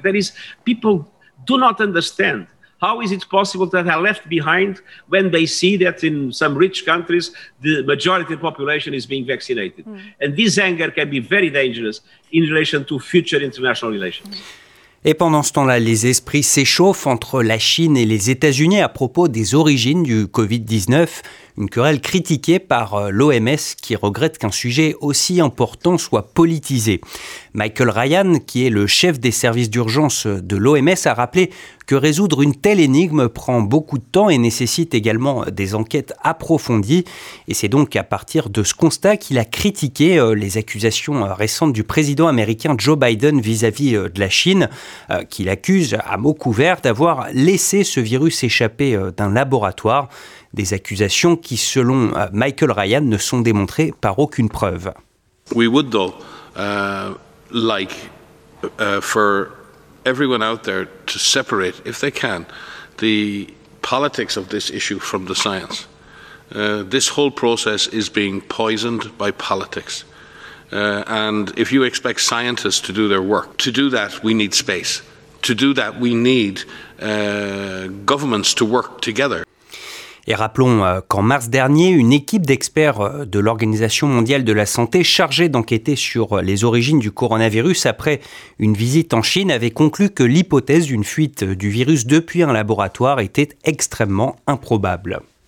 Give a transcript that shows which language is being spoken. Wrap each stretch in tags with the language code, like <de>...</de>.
<en>There is people do not understand. How is it possible that they are left behind when they see that in some rich countries the majority of the population is being vaccinated? And this anger can be very dangerous in relation to future international relations.</en> <fr>Et pendant ce temps-là, les esprits s'échauffent entre la Chine et les États-Unis à propos des origines du Covid-19. une querelle critiquée par l'OMS qui regrette qu'un sujet aussi important soit politisé. Michael Ryan, qui est le chef des services d'urgence de l'OMS, a rappelé que résoudre une telle énigme prend beaucoup de temps et nécessite également des enquêtes approfondies. Et c'est donc à partir de ce constat qu'il a critiqué les accusations récentes du président américain Joe Biden vis-à-vis de la Chine, qu'il accuse à mots couverts d'avoir laissé ce virus échapper d'un laboratoire. Des accusations qui, selon Michael Ryan, ne sont démontrées par aucune preuve.</fr> <en>We would though like for everyone out there to separate, if they can, the politics of this issue from the science. This whole process is being poisoned by politics. And if you expect scientists to do their work, to do that, we need space. To do that, we need governments to work together.</en> <fr>Et rappelons qu'en mars dernier, une équipe d'experts de l'Organisation mondiale de la santé chargée d'enquêter sur les origines du coronavirus après une visite en Chine avait conclu que l'hypothèse d'une fuite du virus depuis un laboratoire était extrêmement improbable.</fr>